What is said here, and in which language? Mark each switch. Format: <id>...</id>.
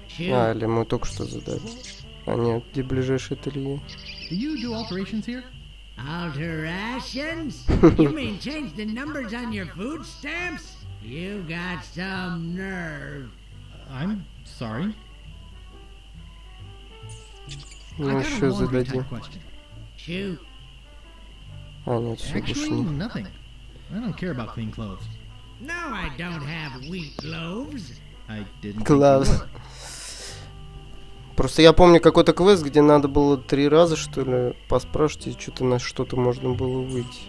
<ru>А, или мы только что задали. А нет, где ближайшее ателье?</ru> <en>Do you do alterations here? Alterations? You mean change the numbers on your food stamps? You got some nerve. I'm sorry.</en> <ru>Ну, еще зададим. А, нет, все</ru> <en>Actually, nothing. I don't care about clean clothes. No, I don't have wheat loaves. I didn't Gloves.</en> <ru>Просто я помню какой-то квест, где надо было три раза, что ли, поспрашивать, и что-то на что-то можно было выйти.</ru>